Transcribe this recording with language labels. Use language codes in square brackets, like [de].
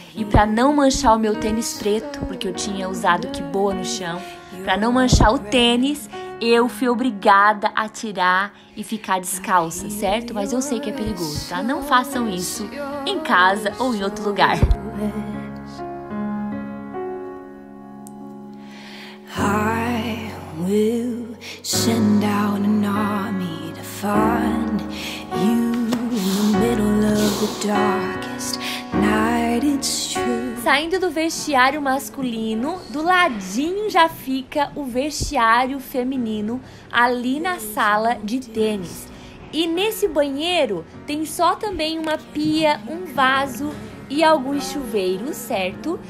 [pt] E pra não manchar o meu tênis preto, porque eu tinha usado Kiboa no chão, pra não manchar o tênis, eu fui obrigada a tirar e ficar descalça, certo? Mas eu sei que é perigoso, tá? Não façam isso em casa ou em outro lugar. [en] I will send down an army to find you in the middle of the darkest night. [pt] It's saindo do vestiário masculino, do ladinho já fica o vestiário feminino ali na sala de tênis. E nesse banheiro tem só também uma pia, um vaso e alguns chuveiros, certo?